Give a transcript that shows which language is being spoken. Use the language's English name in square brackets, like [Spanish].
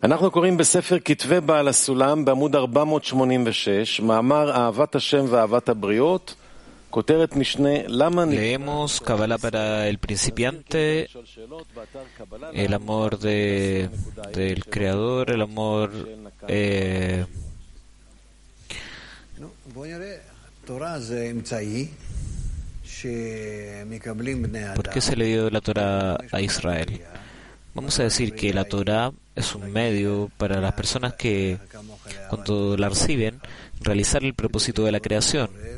[Hebrew] אנחנו קוראים בספר כתבי בעל הסולם בעמוד 486 מאמר אהבת השם ואהבת הבריות כותרת משנה למה אני [Spanish] leemos קבלה para el principiante el amor de del creador el amor [Hebrew] תורה זה אמצעי שמקבלים בני אדם [Spanish] porque se le dio la Torah a Israel. Vamos a decir que la Torah es un medio para las personas que, cuando la reciben, realizar el propósito de la creación.